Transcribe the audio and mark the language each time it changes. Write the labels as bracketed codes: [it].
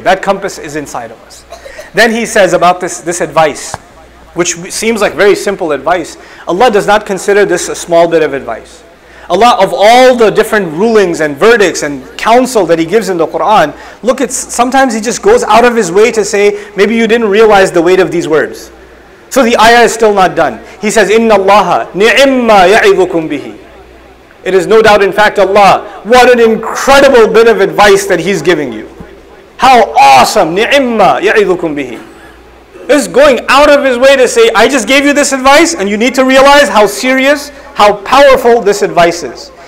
[en] That compass is inside of us. Then he says about this advice, which seems like very simple advice. Allah does not consider this a small bit of advice. Allah, of all the different rulings and verdicts and counsel that He gives in the Qur'an, look, it's sometimes He just goes out of His way to say, maybe you didn't realize the weight of these words. So the ayah is still not done. He says, [ar] إِنَّ اللَّهَ نِعِمَّا يَعِذُكُمْ بِهِ. [en] It is no doubt, in fact, Allah, what an incredible bit of advice that He's giving you. How awesome! [ar] نِعِمَّا يَعِذُكُمْ بِهِ. [en] Is going out of His way to say, I just gave you this advice, and you need to realize how serious, how powerful this advice is.